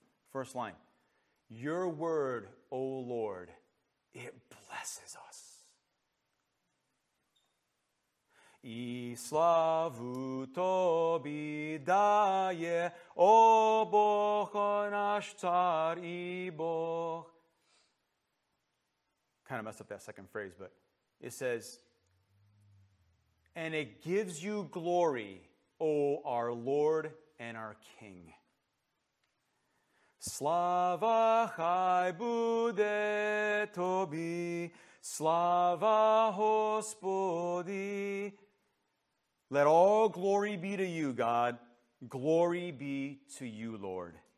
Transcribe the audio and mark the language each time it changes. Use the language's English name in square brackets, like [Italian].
[English] First line. Your word, O Lord, it blesses us. [Ukrainian] І славу тобі дає, о Бог наш цар і Бог. [English] Kind of messed up that second phrase, but it says, and it gives you glory, O our Lord and our King. [Ukrainian] Слава хай буде тобі, слава Господи. [English] Let all glory be to you, God. Glory be to you, Lord.